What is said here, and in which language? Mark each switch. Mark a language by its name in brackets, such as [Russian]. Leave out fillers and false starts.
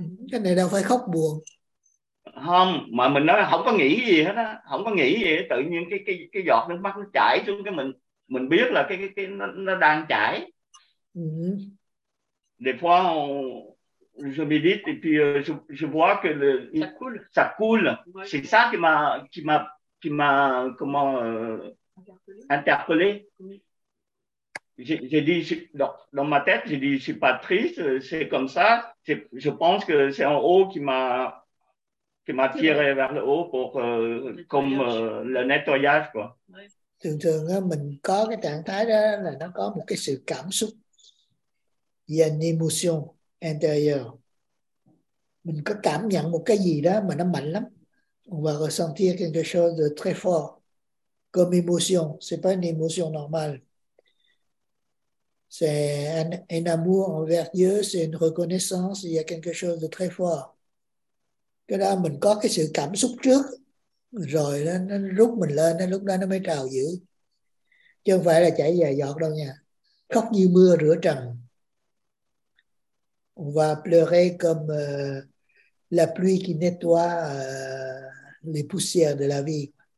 [Vietnamese] Cái này đâu phải khóc buồn. Không, mà mình nói không có nghĩ gì hết á, không có nghĩ gì hết. Tự nhiên cái giọt nước mắt nó chảy xuống cái mình biết là cái nó đang chảy. [French] Des fois je médite et puis je vois que le ça coule. C'est ça qui m'a comment interpellé. J'ai dit dans ma tête, j'ai dit je suis pas triste, c'est comme ça. Je pense que c'est en haut qui m'a tiré vers le haut pour comme le nettoyage quoi. [Vietnamese] Thường thường mình có cái trạng thái đó là nó có một cái sự cảm xúc, [French] y a une émotion intérieure. [Vietnamese] Mình có cảm nhận một cái gì đó mà nó mạnh lắm. [French] On va ressentir quelque chose de très fort. Comme émotion, c'est pas une émotion normale. C'est un amour envers Dieu, c'est une reconnaissance, il y a quelque chose de très fort. [Vietnamese] Cái đó mình có cái sự cảm xúc trước, rồi nó rút mình lên, lúc đó nó mới trào dữ. Chứ không phải là chảy dài giọt đâu nha. Khóc như mưa rửa trần. [French] On va pleurer comme la pluie qui nettoie les poussières de la vie.